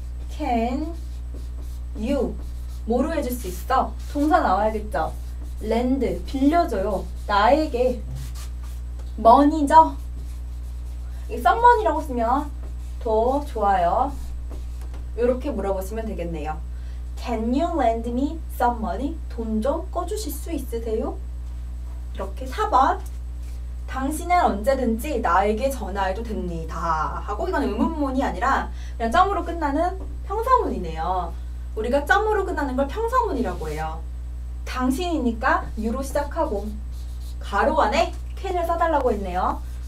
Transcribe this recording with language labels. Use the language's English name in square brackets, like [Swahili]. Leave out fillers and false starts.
[English] Can you? [Korean] 뭐로 해줄 수 있어? 동사 나와야겠죠. Lend, 빌려줘요. 나에게 money죠. 이 someone이라고 쓰면 더 좋아요. 이렇게 물어보시면 되겠네요. [English] Can you lend me some money? [Korean] 돈 좀 꺼주실 수 있으세요? 이렇게 4번. 당신은 언제든지 나에게 전화해도 됩니다. 하고 이건 의문문이 아니라 그냥 점으로 끝나는 평서문이네요. 우리가 점으로 끝나는 걸 평서문이라고 해요. 당신이니까 you로 시작하고 가로 안에 can을 써달라고 했네요.